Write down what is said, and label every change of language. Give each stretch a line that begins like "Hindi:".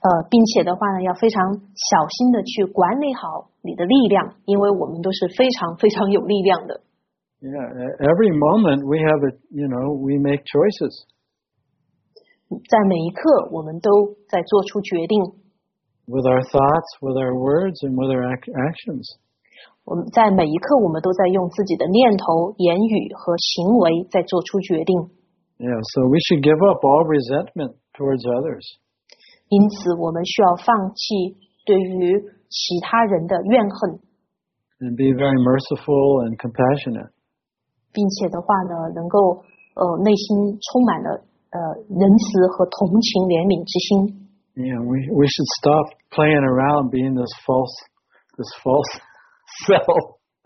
Chinese: 并且的话呢，要非常小心的去管理好你的力量，因为我们都是非常非常有力量的。
English: Yeah, every moment we have we make choices.
Chinese: 在每一刻我们都在做出决定。
English: With our thoughts, with our words, and with our actions.
Chinese: 我们在每一刻我们都在用自己的念头、言语和行为在做出决定。
English: Yeah, so we should give up all resentment towards others.
Chinese: 因此我们需要放弃对于其他人的怨恨。
English: And be very merciful and compassionate.
Chinese: 并且的话呢，能够内心充满了仁慈和同情怜悯之心。
English: Yeah, we should stop playing around being this false self.